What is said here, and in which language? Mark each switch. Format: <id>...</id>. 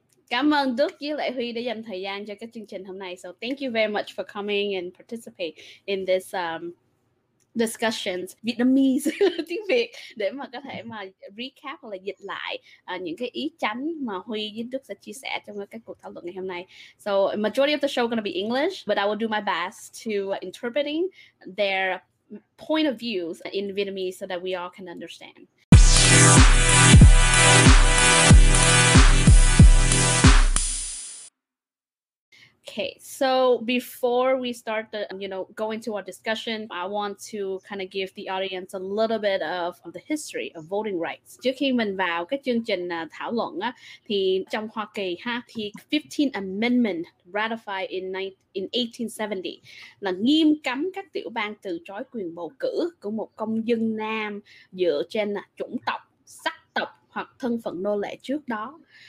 <vi>Cảm ơn Đức với lại Huy đã dành thời gian cho cái chương trình hôm nay.</vi> <en>So thank you very much for coming and participate in this discussions</en> <vi>Vietnamese tiếng Việt để mà có thể mà recap hoặc là dịch lại những cái ý chánh mà Huy với Đức sẽ chia sẻ trong cái cuộc thảo luận ngày hôm nay.</vi> <en>So majority of the show gonna be English, but I will do my best to interpreting their point of views in Vietnamese so that we all can understand. Okay, so before we start the, you know, go into our discussion, I want to kind of give the audience a little bit of the history of voting rights.</en> <vi>Trước khi mình vào cái chương trình thảo luận á, thì trong Hoa Kỳ ha, thì</vi> <en>15th Amendment ratified in 1870</en> <vi>là nghiêm cấm các tiểu bang từ chối quyền bầu cử của một công dân nam dựa trên chủng tộc, sắc tộc hoặc thân phận nô lệ trước đó.</vi>